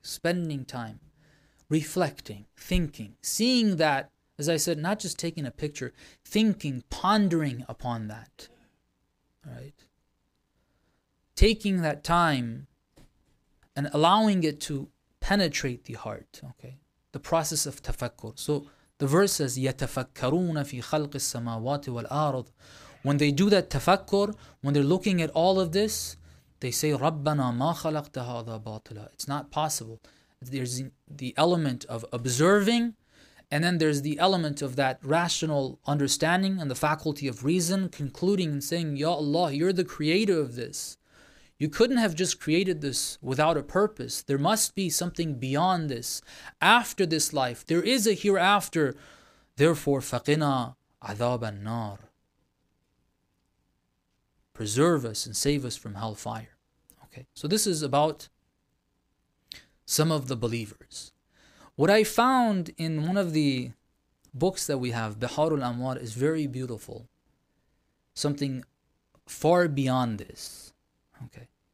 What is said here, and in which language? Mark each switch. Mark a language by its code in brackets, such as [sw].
[en] Spending time, reflecting, thinking, seeing that, as I said, not just taking a picture, thinking, pondering upon that, right? taking that time and allowing it to penetrate the heart, okay? The process of tafakkur. So the verse says, [ar] يَتَفَكَّرُونَ فِي خَلْقِ السَّمَاوَاتِ وَالْأَرْضِ. [en] When they do that tafakkur, when they're looking at all of this, they say, [ar] رَبَّنَا مَا خَلَقْتَ هَذَا بَاطِلًا. [en] It's not possible. There's the element of observing, and then there's the element of that rational understanding and the faculty of reason concluding and saying, Ya Allah, you're the creator of this. You couldn't have just created this without a purpose. There must be something beyond this. After this life, there is a hereafter. Therefore, [ar] فَقِنَا عَذَابَ النَّارِ. [en] Preserve us and save us from hellfire. Okay, so this is about some of the believers. What I found in one of the books that we have, Biharul Amwar, is very beautiful. Something far beyond this. Okay.